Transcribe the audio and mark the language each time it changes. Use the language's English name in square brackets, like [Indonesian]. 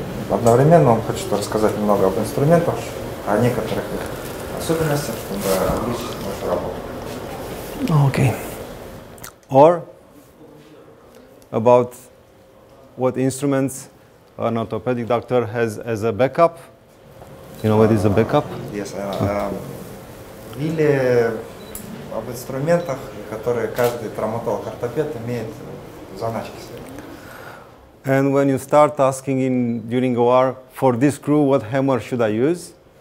[Russian] Одновременно он хочет рассказать немного об инструментах, о некоторых особенностях, чтобы облегчить нашу работу. [English] Okay. Or about what instruments an orthopedic doctor has as a backup. You know what is a backup? Yes. [Russian] Или об инструментах, которые каждый травматолог-ортопед имеет в заначке своей. [English] And when you start asking in during OR for this crew, what hammer should I use?